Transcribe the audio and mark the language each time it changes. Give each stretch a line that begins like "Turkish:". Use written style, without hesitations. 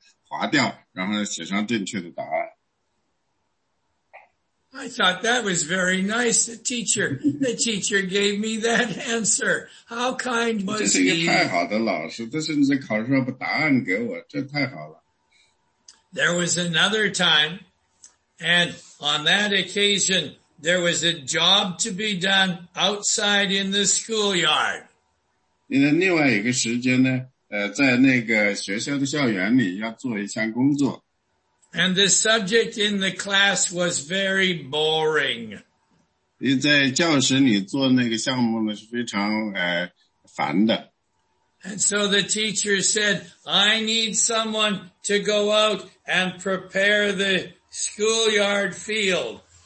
Chinese: 所以呢，我看了我的试卷以后，我发现我已经做错了，所以我马上把它划掉，然后写上正确的答案。
English: I thought that was very nice, the teacher. The teacher gave me that answer. How kind was he?
Chinese: 这是一个太好的老师，这甚至考试把答案给我，这太好了。
English: There was another time, and on that occasion, there was a job to be done outside in the schoolyard.
Chinese: 另外一个时间呢，在那个学校的校园里要做一项工作。
English: And the subject in the class was very boring.
Chinese: 在教室里做那个项目呢，是非常烦的。
English: And so the teacher said, I need someone to go out and prepare the schoolyard field.